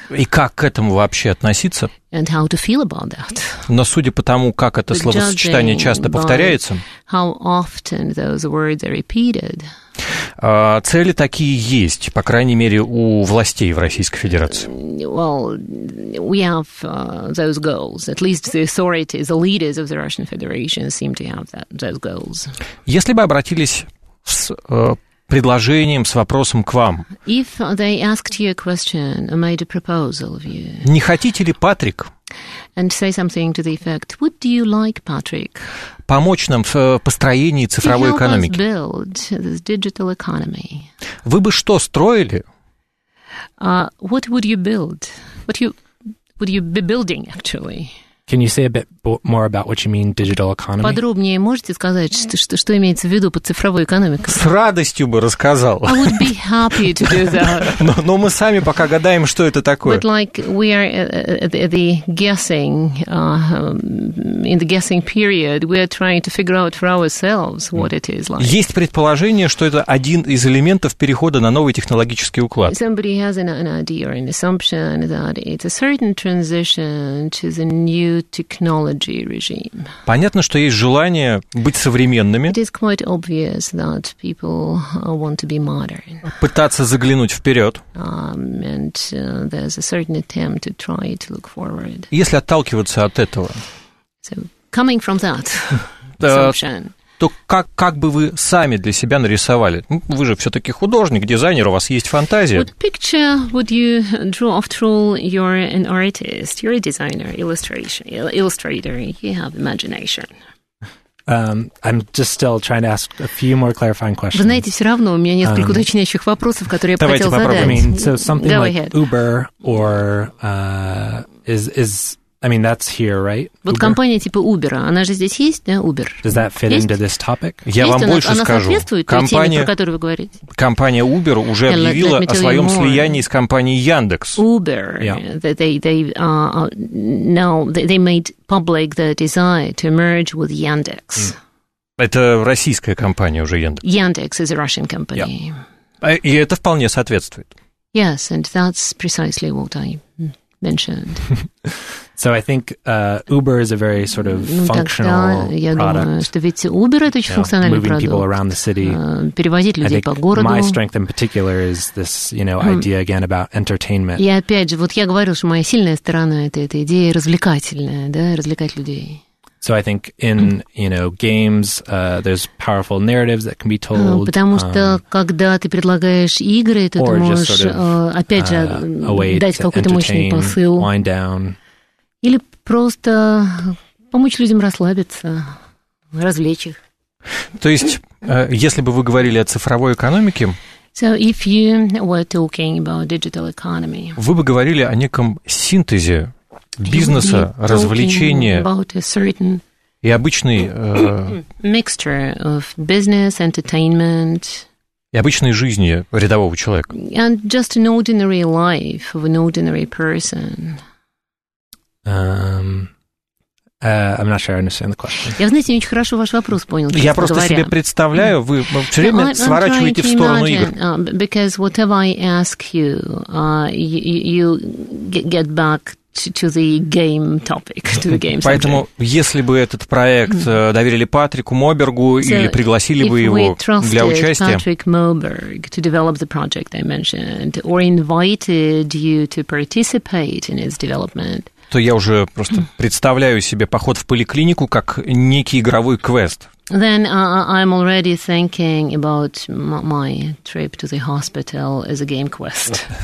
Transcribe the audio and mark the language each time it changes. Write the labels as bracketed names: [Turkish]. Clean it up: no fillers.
[Russian] И как к этому вообще относиться? [English] And how to feel about that. [Russian] Но судя по тому, как это словосочетание часто повторяется, [English] how often those words are repeated, [Russian] цели такие есть, по крайней мере, у властей в Российской Федерации. [English] Well, we have those goals. At least the authorities, the leaders of the Russian Federation seem to have that, those goals. [Russian] Если бы обратились с предложением, с вопросом к вам. [English] If they asked you a question or made a proposal of you. [Russian] Не хотите ли, Патрик? [English] And say something to the effect, would you like, Patrick? [Russian] Помочь нам в построении цифровой экономики. [English] To help us build this digital economy. [Russian] Вы бы что строили? [English] What would you build? What would you be building, actually? Can you say a bit more about what you mean digital economy? [Russian] Подробнее можете сказать, что имеется в виду под цифровой экономикой? С радостью бы рассказал. [English] I would be happy to do that. [Russian] Но мы сами пока гадаем, что это такое. [English] But like we are the guessing in the guessing period, we are trying to figure out for ourselves what it is like. [Russian] Есть предположение, что это один из элементов перехода на новый технологический уклад. [English] Somebody has an idea or an assumption that it's a certain transition to the new technology regime. [Russian] Понятно, что есть желание быть современными. [English] It is quite obvious that people want to be modern. [Russian] Пытаться заглянуть вперед. [English] And there's a certain attempt to try to look forward. [Russian] Если отталкиваться от этого. [English] So, coming from that assumption. [Russian] То как бы вы сами для себя нарисовали? Ну, вы же все-таки художник, дизайнер, у вас есть фантазия. [English] What picture would you draw after all? You're an artist, you're a designer, illustrator, you have imagination. I'm just still trying to ask a few more clarifying questions. [Russian] Вы знаете, все равно у меня несколько уточняющих вопросов, которые я бы хотел задать. [English] I mean, so something like Uber or is I mean, that's here, right? [Russian] Вот компания типа Uber, она же здесь есть, да, Uber? [English] Does that fit into this topic? [Russian] Я вам больше скажу. Она соответствует компания, той теме, про которую вы говорите? Компания Uber уже объявила о своем слиянии с компанией Яндекс. [English] Uber, yeah. they made public the desire to merge with Yandex. [Russian] Это российская компания уже Яндекс. [English] Yandex is a Russian company. [Russian] Yeah. И это вполне соответствует. [English] Yes, and that's precisely what I mentioned. So I think Uber is a very sort of functional product. [Russian] Я думаю, что Uber это очень функциональный продукт. [English] Moving people around the city. [Russian] Перевозить людей по городу. [English] My strength in particular is this, you know, idea again about entertainment. [Russian] И опять же, вот я говорил, что моя сильная сторона это эта идея развлекательная, да, развлекать людей. [English] So I think in, you know, games, there's powerful narratives that can be told. [Russian] Потому что когда ты предлагаешь игры, то ты можешь опять же дать какой-то мощный посыл. [English] Wind down. [Russian] Или просто помочь людям расслабиться, развлечь их. То есть, если бы вы говорили о цифровой экономике, [English] so if you were talking about digital economy, [Russian] вы бы говорили о неком синтезе бизнеса, развлечения [English] about a certain [Russian] и обычной [English] mixture of business, entertainment, [Russian] и обычной жизни рядового человека. [English] And just an ordinary life of an ordinary person. I'm not sure I understand the question. [Russian] Я, знаете, не очень хорошо ваш вопрос понял. Я просто себе представляю, вы все время сворачиваете в сторону игр. [English] Because whatever I ask you, you get back to the game topic, to the game. [Russian] Поэтому, если бы этот проект доверили Патрику Мобергу или пригласили бы его для участия, [English] if we trusted Patrick Moberg to develop the project I mentioned, or invited you to participate in its development. [Russian] то я уже просто представляю себе поход в поликлинику как некий игровой квест. [English] Then I'm already thinking about my trip to the hospital as a game quest.